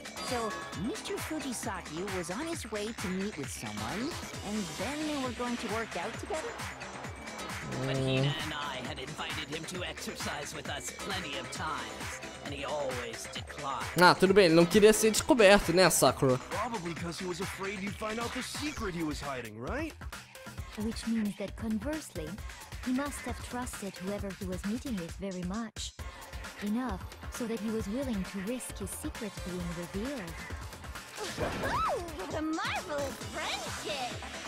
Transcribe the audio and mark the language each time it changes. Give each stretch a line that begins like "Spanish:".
English: So, Mr. Fujisaki was on his way to meet with someone, and then they were going to work out together? But Hina and I had invited him to exercise with us plenty of times, and he always declined.
Portuguese: Ah, tudo bem, ele não queria ser descoberto, né, Sakura?
English: Probably because he was afraid he'd find out the secret he was hiding, right? Which means that conversely, he must have trusted whoever he was meeting with very much. Enough so that he was willing to risk his secret being revealed. Oh, what a marvelous friendship!